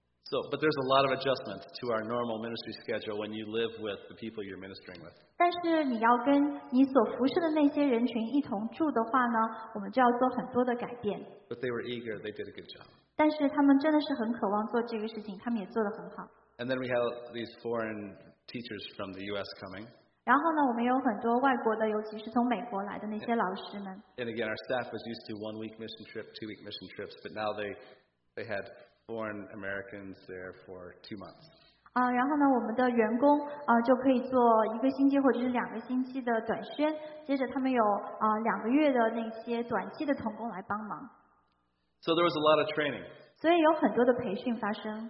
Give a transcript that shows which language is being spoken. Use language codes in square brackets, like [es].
[en] So, but there's a lot of adjustment to our normal ministry schedule when you live with the people you're ministering with. [zh] 但是你要跟你所服侍的那些人群一同住的话呢，我们就要做很多的改变。 [en] But they were eager. They did a good job. [zh] 但是他们真的是很渴望做这个事情，他们也做得很好。 [en] And then we have these foreign teachers from the U.S. coming. [zh] 然后呢，我们有很多外国的，尤其是从美国来的那些老师们。 [en] And again, our staff was used to 1 week mission trip, 2 week mission trips, but now they had. Foreign Americans there for 2 months. [zh] 啊，然后呢，我们的员工啊就可以做一个星期或者是两个星期的短宣。接着他们有啊两个月的那些短期的同工来帮忙。 [en] So there was a lot of training. [zh] 所以有很多的培训发生。